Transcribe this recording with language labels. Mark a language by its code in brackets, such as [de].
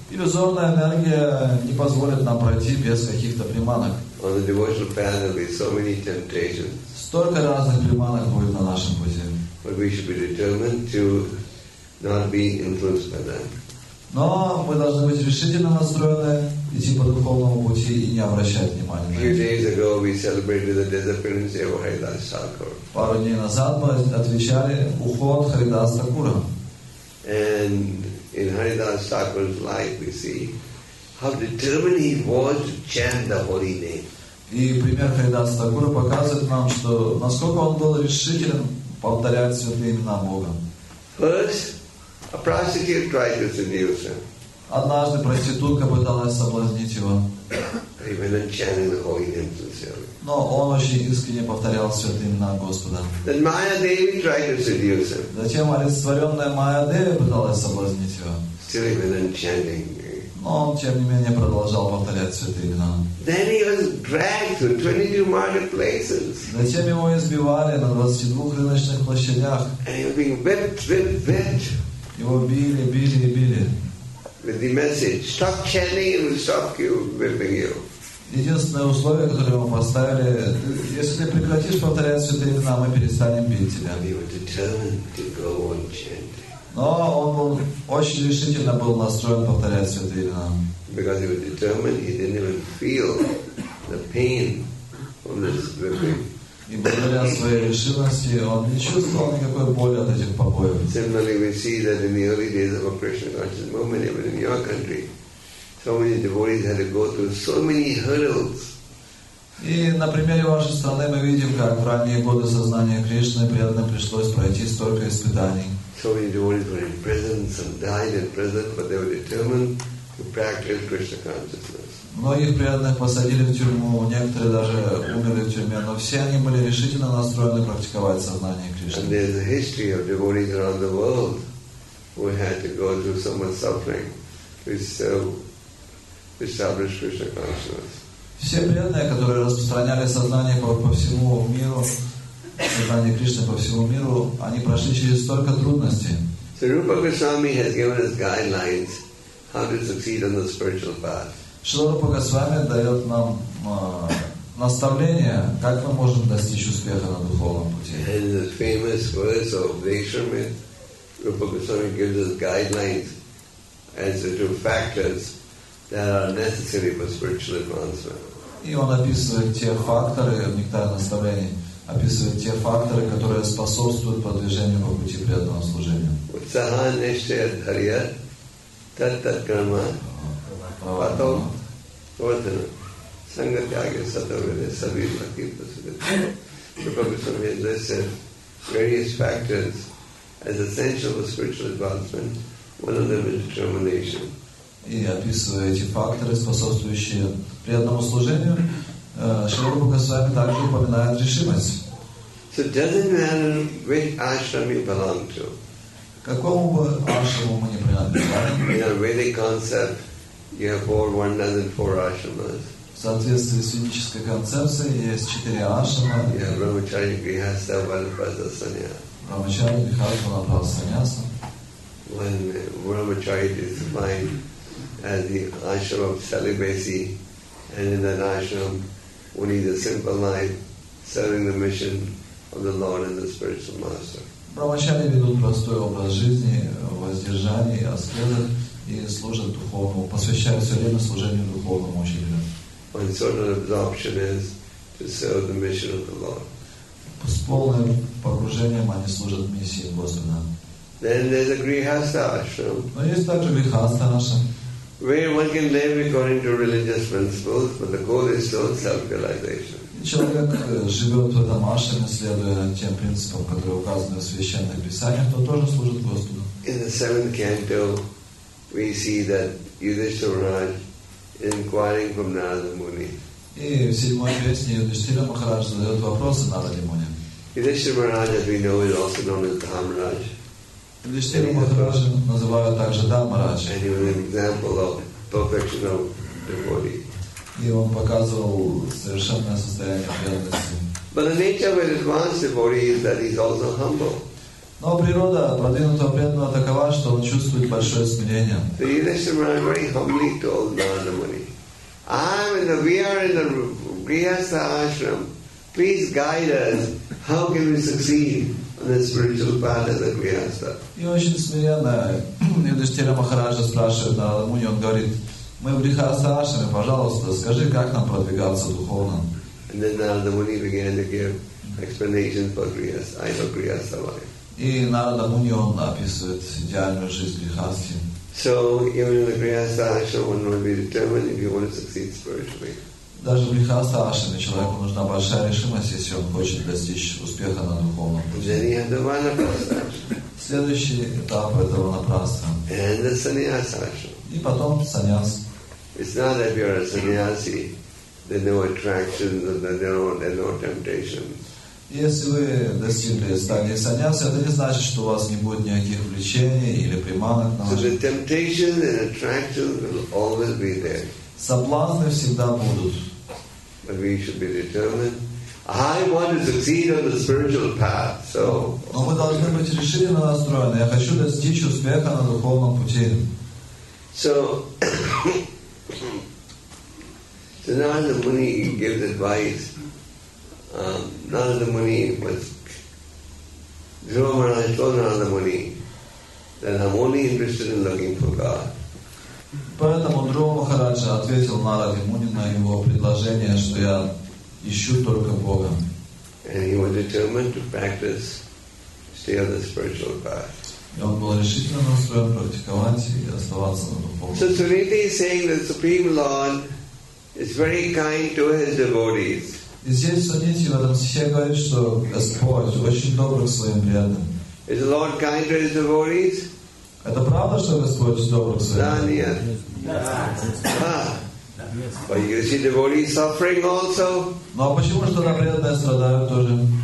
[ru] Иллюзорная энергия не позволит нам пройти без каких-то приманок. [en] On the devotional path there will be so many temptations. [ru] Столько разных приманок будет на нашем пути. [en] But we should be determined to not be influenced by them. [ru] Но мы должны быть решительно настроены идти по духовному пути и не обращать внимания. [en] Few days ago we celebrated the disappearance of Haridas Thakur. [ru] Пару дней назад мы отвечали уход Харидаса Такура. [en] And in Haridas Thakur's life we see how determined he was to chant the holy name. [ru] И пример Харидаса Такура показывает нам, что насколько он был решителен повторять святые имена Бога. [en] First, a prostitute tried to seduce him. [ru] Однажды проститутка пыталась соблазнить его. [en] He went and chanted the holy name sincerely. [ru] Но он очень искренне повторял святые имена Господа. [en] Then Maya Devi tried to seduce him. [ru] Затем олицетворенная Майя Деви пыталась соблазнить его. [en] Still he went and chanting. [ru] Но он, тем не менее, продолжал повторять святые имена. [en] Then he was dragged to 22 marketplaces. [ru] Затем его избивали на 22 рыночных площадях. [en] And he was being whipped. [ru] Его били, били и били. [en] With the message, stop chanting and stop whipping you. [ru] Единственное условие, которое ему поставили, если ты прекратишь повторять святые имена, мы перестанем бить тебя. [en] He was determined to go on chanting. [ru] Но он был, очень решительно был настроен повторять святые имена. [en] Because he was determined, he didn't even feel the pain of this whipping. [ru] И благодаря своей решимости он не чувствовал никакой боли от этих побоев. [en] Similarly, we see that in the early days of a Krishna conscious movement, even in your country, so many devotees had to go through so many hurdles. [ru] И на примере вашей страны мы видим, как в ранние годы сознания Кришны преданным пришлось пройти столько испытаний. [en] So many devotees were in prison, some died in prison, but they were determined to practice Krishna consciousness. [ru] Многих преданных посадили в тюрьму, некоторые даже умерли в тюрьме, но все они были решительно настроены практиковать сознание Кришны. [en] And there's a history of devotees around the world who had to go through so much suffering to establish Krishna consciousness. [ru] Все преданные, которые распространяли сознание по всему миру, сознание Кришны по всему миру, они прошли через столько трудностей. [en] So Rupa Goswami has given us guidelines how to succeed on the spiritual path. [ru] Шрила Рупа Госвами дает нам наставление, как мы можем достичь успеха на духовном пути. [en] And the famous words of Vaishrami, Rupa Goswami gives us guidelines as the two factors that are necessary for spiritual advancement. [ru] И он описывает те факторы в нектаре наставлений. Описывает те факторы, которые способствуют продвижению по пути преданного служения. [sa] Утсаха нишчая дхарья, таттат карма, патом, вотана, санга тяга сатавиле, сабир лакирта сабир. [en] Прабхупада has listed various factors as essential for spiritual advancement. One of them is determination. [ru] И описывает эти факторы, способствующие преданному служению. Шрила Рупа Госвами также упоминает решимость. [en] So doesn't matter which ashram you belong to. [ru] Какому бы ашраму мы не принадлежали. [en] In a Vedic concept, you have four vandas and four ashramas. [ru] В соответствии с ведической концепцией есть четыре ашрама. [en] You have Рамачари, Грихаста, Ванапраса, Саньяса. [ru] Рамачари, Грихаста, Ванапраса, Саньяса. [en] When Рамачари is defined as the ashram of celibacy, and in that ashram, we need a simple life, serving the mission of the Lord and the spiritual master. [ru] Брахмачари ведут простой образ жизни, воздержание, аскезы и служат духовному, посвящают все время служению духовному учителю. [en] One sort of absorption is to serve the mission of the Lord. [ru] С полным погружением они служат миссии Господа. [en] Then there's a grihastha ashram. [ru] Но есть также грихастха ашрам. [en] Where one can live according to religious principles, but the goal is still self-realization. [ru] Человек живет в этом ашраме, следуя тем принципам, которые указаны в священных писаниях, то тоже служит Господу. [en] In the seventh canto, we see that Yudhishthira Maharaj is inquiring from Narada Muni. [ru] И в седьмой песне Юдиштхира Махарадж задает вопросы Нараде Муни. [en] Yudhishthira Maharaj, as we know, is also known as Dhamraj. [ru] Юдиштхира Махараджа называют также Дамарадж. [en] And he was an example of perfection of devotee. [ru] И он показывал совершенное состояние преданности. [en] But the nature of an advanced devotee is that he's also humble. [ru] Но природа, продвинутого преданного, такова, что он чувствует большое смирение. И очень смиренно Юдиштхира Махараджа спрашивает Нарада Муни, он говорит: мы в Грихаста Ашраме, пожалуйста, скажи, как нам продвигаться духовно. [en] And then Narada Muni began to give explanation for Grihastha. I know Grihastha life. [ru] И Нарада Муни, он описывает идеальную жизнь Грихасти. [en] So even in the Grihastha Ashram, one will be determined if you want to succeed spiritually. [ru] Даже в Грихастха Ашраме человеку нужна большая решимость, если он хочет достичь успеха на духовном пути. [en] Then you have the Vanaprastha [ru] Ashram. Следующий этап этого Vanaprastha. [en] And the Sannyasa Ashram. [ru] И потом саньяс. [en] It's not that you're a sannyasi. There's no attraction, there's no temptation. [ru] Если вы достигли стадии саньяса, это не значит, что у вас не будет никаких влечений или приманок. [en] So the temptation and attraction will always be there. [ru] Соблазны всегда будут. [en] But we should be determined. I want to succeed on the spiritual path. So. [ru] Но мы должны быть решительно настроены. Я хочу достичь успеха на духовном пути. [en] So Narada Muni gives advice. Narada Muni was Dhruva Maharaj told Narada Muni that I'm only interested in looking for God. [ru] Поэтому Дхрува Махараджа ответил Нараде Муни на его предложение, что я ищу только Бога. [en] And he was determined to practice, stay on the spiritual path. [ru] И он был решительно настроен практиковать и оставаться на духовном. [en] So Suniti is saying that the Supreme Lord is very kind to his devotees. [ru] И здесь Суниди в этом стихе говорит, что Господь очень добр к своим преданным. [en] Is the Lord kind to his devotees? [ru] Это правда, что Господь добр к своим преданным? Да, нет. [en] But you see devotees suffering also. [ru] Но почему же тогда преданные страдают тоже?